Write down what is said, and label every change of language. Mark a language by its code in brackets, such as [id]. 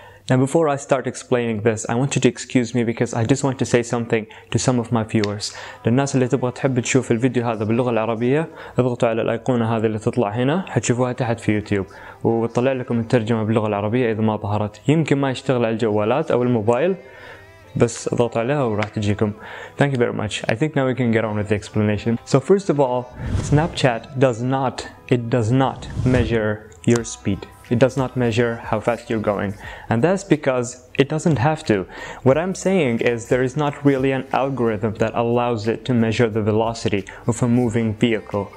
[en] Now before I start explaining this, I want you to excuse me because I just want to say something to some of my viewers. [ar] للناس اللي تبغى تحب تشوف الفيديو هذا باللغة العربية اضغطوا على الأيقونة هذه اللي تطلع هنا حتشوفوها تحت في يوتيوب وطلع لكم الترجمة باللغة العربية إذا ما ظهرت يمكن ما يشتغل على الجوالات أو الموبايل بس اضغط عليها وراح تجيكم. [en] Thank you very much. I think now we can get on with the explanation. So first of all, Snapchat does not measure your speed. It does not measure how fast you're going. And that's because it doesn't have to. What I'm saying is there is not really an algorithm that allows it to measure the velocity of a moving vehicle.